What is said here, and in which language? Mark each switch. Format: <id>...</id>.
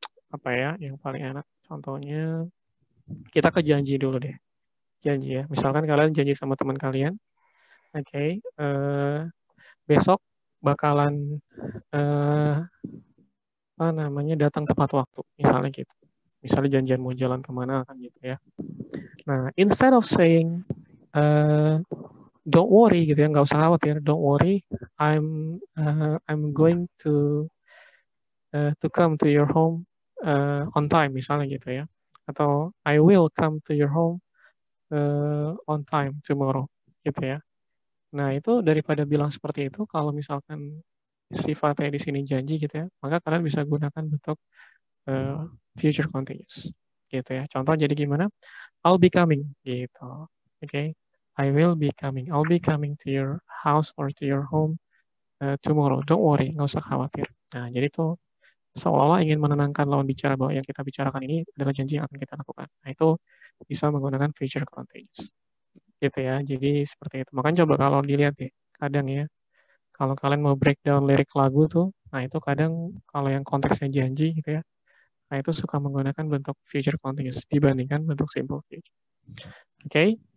<id>Apa ya yang paling enak? Contohnya kita ke janji dulu deh. Janji ya. Misalkan kalian janji sama teman kalian. Oke, okay. Besok bakalan apa namanya datang tepat waktu, misalnya gitu. Misalnya janjian mau jalan kemana kan gitu ya.</id> <en>Nah, instead of saying don't worry</en> <id>gitu ya, nggak usah khawatir,</id> <en>don't worry, I'm going to come to your home on time</en> <id>misalnya gitu ya, atau</id> <en>I will come to your home on time tomorrow gitu ya.</en> <id>Nah, itu daripada bilang seperti itu, kalau misalkan sifatnya di sini janji gitu ya, maka kalian bisa gunakan bentuk future continuous gitu ya. Contoh jadi gimana?</id> <en>I'll be coming gitu. Okay. I will be coming. I'll be coming to your house or to your home tomorrow. Don't worry,</en> <id>nggak usah khawatir. Nah, jadi itu seolah-olah ingin menenangkan lawan bicara bahwa yang kita bicarakan ini adalah janji yang akan kita lakukan. Nah, itu bisa menggunakan future continuous. Gitu ya. Jadi seperti itu. Makanya coba kalau dilihat deh, kadang ya, kalau kalian mau breakdown lirik lagu tuh, nah itu kadang kalau yang konteksnya janji gitu ya, nah itu suka menggunakan bentuk future continuous dibandingkan bentuk simple future. Okay.</id>